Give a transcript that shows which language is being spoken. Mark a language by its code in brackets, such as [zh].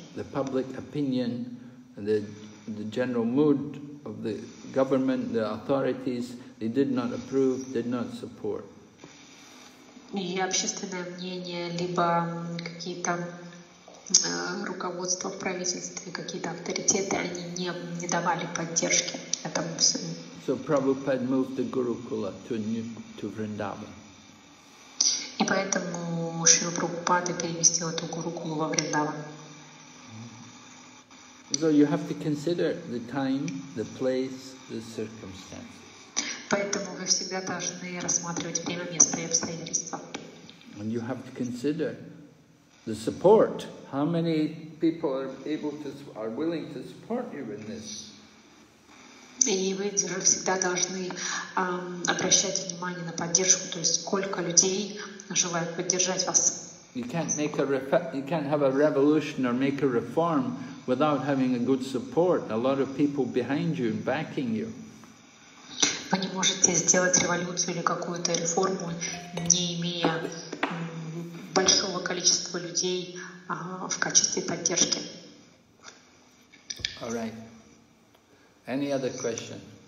[en] The public opinion, the general mood of the government, the authorities, they did not approve, did not support. [ru] И общественное мнение, либо какие-то руководства в правительстве, какие-то авторитеты, они не давали поддержки этому всему. [en] So Prabhupada moved the Gurukula to Vrindavan. [ru] И поэтому Шри Прабхупада переместил эту Гурукулу во Вриндаван. [en] So you have to consider the time, the place, the circumstances. [ru] Поэтому вы всегда должны рассматривать время, место и обстоятельства. [en] And you have to consider the support. How many people are willing to support you in this? [ru] И вы всегда должны обращать внимание на поддержку, то есть сколько людей желают поддержать вас. [en] You can't have a revolution or make a reform without having a good support, a lot of people behind you and backing you. [ru] Вы не можете сделать революцию или какую-то реформу, не имея большого количества людей в качестве поддержки. [en] All right. Any other question?